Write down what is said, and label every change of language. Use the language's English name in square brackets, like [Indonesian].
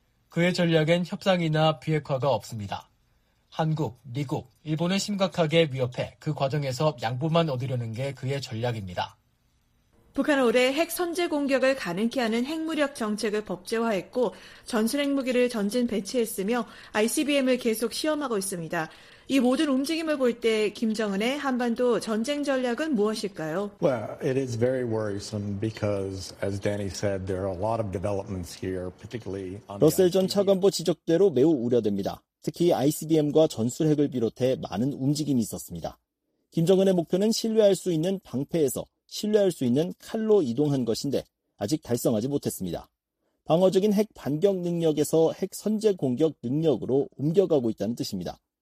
[Korean] 그의 전략엔 협상이나 비핵화가 없습니다. 한국, 미국, 일본을 심각하게 위협해 그 과정에서 양보만 얻으려는 게 그의 전략입니다. 북한은 올해 핵 선제 공격을 가능케 하는 핵무력 정책을 법제화했고 전술 핵무기를 전진 배치했으며 ICBM을 계속 시험하고 있습니다. 이 모든 움직임을 볼 때 김정은의 한반도 전쟁 전략은 무엇일까요? [English] Well, it is very worrisome because, as Danny said, there are a lot of developments here, particularly. [Korean] 러셀 전 차관보 지적대로 매우 우려됩니다. 특히 ICBM과 전술핵을 비롯해 많은 움직임이 있었습니다. 김정은의 목표는 신뢰할 수 있는 방패에서 신뢰할 수 있는 칼로 이동한 것인데 아직 달성하지 못했습니다. 방어적인 핵 반격 능력에서 핵 선제 공격 능력으로 옮겨가고 있다는 뜻입니다.